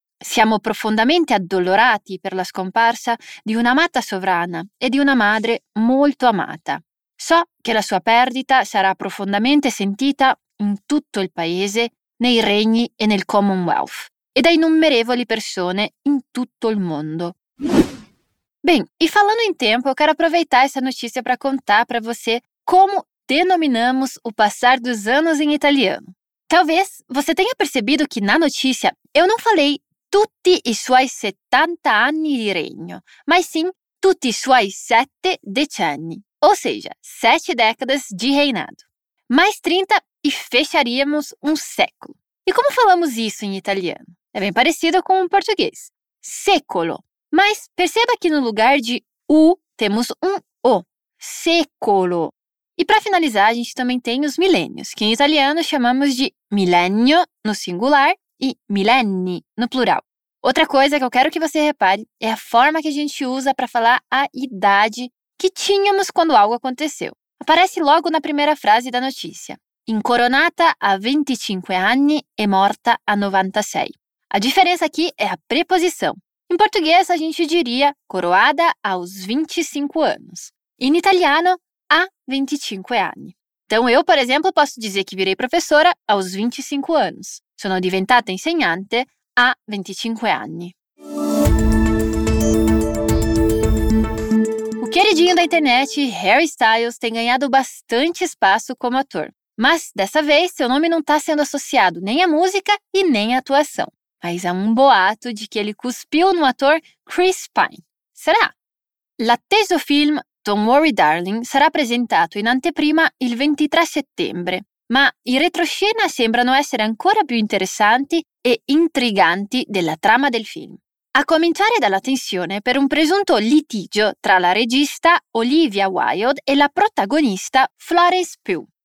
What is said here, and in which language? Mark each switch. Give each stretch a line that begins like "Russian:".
Italian: Siamo profondamente addolorati per la scomparsa di un'amata sovrana e di una madre molto amata. So che la sua perdita sarà profondamente sentita in tutto il paese, nei regni e nel Commonwealth, e da innumerevoli persone in tutto il mondo».
Portuguese: Bem, e falando em tempo, eu quero aproveitar essa notícia para contar para você como denominamos o passar dos anos em italiano. Talvez você tenha percebido que na notícia eu não falei
Italian: tutti i suoi 70 anni di regno,
Portuguese: mas sim
Italian: tutti i suoi 7 decenni,
Portuguese: ou seja, 7 décadas de reinado. Mais 30 e fecharíamos um século. E como falamos isso em italiano? É bem parecido com o português. Secolo. Mas perceba que no lugar de U temos um O, secolo. E para finalizar, a gente também tem os milênios, que em italiano chamamos de milênio no singular e millenni no plural. Outra coisa que eu quero que você repare é a forma que a gente usa para falar a idade que tínhamos quando algo aconteceu. Aparece logo na primeira frase da notícia.
Italian: Incoronata a 25 anni e morta a 96.
Portuguese: A diferença aqui é a preposição. Em português, a gente diria coroada aos 25 anos. Em italiano,
Italian: a 25 anni.
Portuguese: Então, eu, por exemplo, posso dizer que virei professora aos 25 anos.
Italian: Sono diventata insegnante a 25 anni.
Portuguese: O queridinho da internet, Harry Styles, tem ganhado bastante espaço como ator. Mas, dessa vez, seu nome não está sendo associado nem à música e nem à atuação. Mas há um boato de que ele cuspiu no ator Chris Pine. Será?
Italian: L'atteso film Don't Worry Darling sarà presentato in anteprima il 23 settembre, ma i retroscena sembrano essere ancora più interessanti e intriganti della trama del film. A cominciare dalla tensione per un presunto litigio tra la regista Olivia Wilde e la protagonista Florence Pugh.